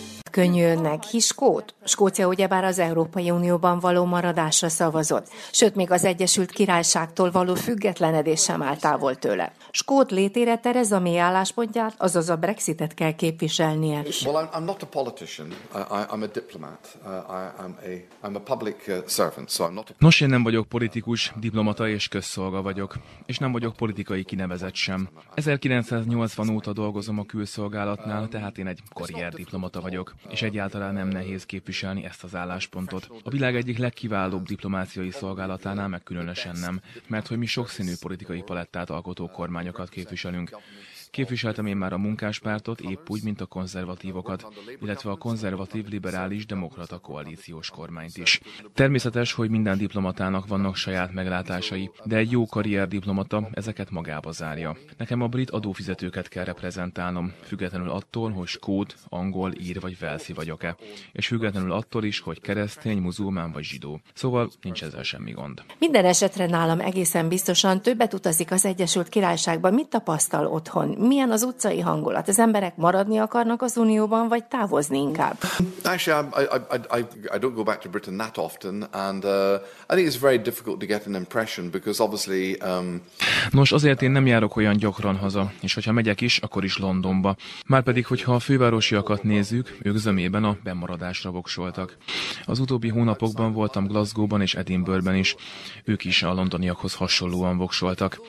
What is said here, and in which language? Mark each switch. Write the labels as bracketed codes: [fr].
[hu] Könnyűlnek Hiskót? Skócia ugyebár az Európai Unióban való maradásra szavazott, sőt még az Egyesült Királyságtól való függetlenedés sem áll távol tőle. Skót létére Tereza May álláspontját, azaz a Brexitet kell képviselnie. [en] Well, I'm not a politician, I'm a diplomat, I'm a public servant, so I'm not a... [hu] Nos, én nem vagyok politikus, diplomata és közszolga vagyok, és nem vagyok politikai kinevezett sem. 1980 óta dolgozom a külszolgálatnál, tehát én egy karrierdiplomata vagyok. És egyáltalán nem nehéz képviselni ezt az álláspontot. A világ egyik legkiválóbb diplomáciai szolgálatánál meg különösen nem, mert hogy mi sokszínű politikai palettát alkotó kormányokat képviselünk. Képviseltem én már a munkáspártot, épp úgy, mint a konzervatívokat, illetve a konzervatív-liberális-demokrata koalíciós kormányt is. Természetes, hogy minden diplomatának vannak saját meglátásai, de egy jó karrierdiplomata ezeket magába zárja. Nekem a brit adófizetőket kell reprezentálnom, függetlenül attól, hogy skót, angol, ír vagy velszi vagyok-e, és függetlenül attól is, hogy keresztény, muzulmán vagy zsidó. Szóval nincs ezzel semmi gond. Minden esetre nálam egészen biztosan többet utazik az Egyesült Királyságban, mit tapasztal otthon? Milyen az utcai hangulat? Az emberek maradni akarnak az Unióban, vagy távozni inkább? [en] Actually, I don't go back to Britain that often, and I think it's very difficult to get an impression, because obviously... [hu] Nos, azért én nem járok olyan gyakran haza, és hogyha megyek is, akkor is Londonba. Márpedig, hogyha a fővárosiakat nézzük, ők zömében a bemaradásra voksoltak. Az utóbbi hónapokban voltam Glasgow-ban és Edinburgh-ben is. Ők is a londoniakhoz hasonlóan voksoltak.